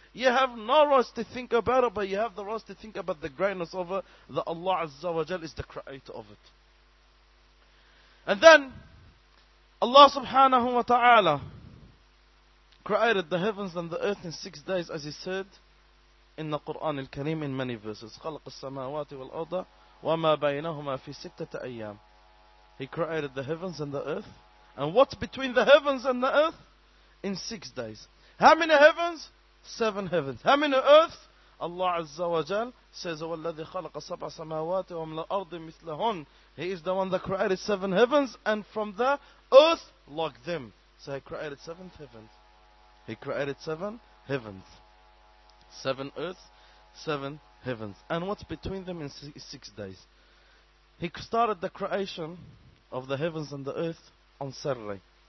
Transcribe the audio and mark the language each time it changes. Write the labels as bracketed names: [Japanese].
[English] You have no right to think about it, but you have the right to think about the greatness of it, that Allah Azza wa Jal is the creator of it. And then, Allah subhanahu wa ta'ala created the heavens and the earth in 6 days, as he said in the Quran al-Kareem in many verses. [Arabic] خلق السماوات والأرض وما بينهما في ستة أيام. [English] He created the heavens and the earth. And what's between the heavens and the earth? In 6 days. How many heavens? 7 heavens. How many earths? Allah Azza wa Jal says, [Arabic] وَالَّذِي خَلَقَ سَبْعَ سَمَاوَاتِ وَمِنَ الْأَرْضِ مِثْلَهُنْ. [English] He is the one that created 7 heavens, and from the earth, like them. So he created 7 heavens. He created 7 heavens. 7 earths, 7 heavens. And what's between them in 6 days? He started the creation of the heavens and the earth on Saturday.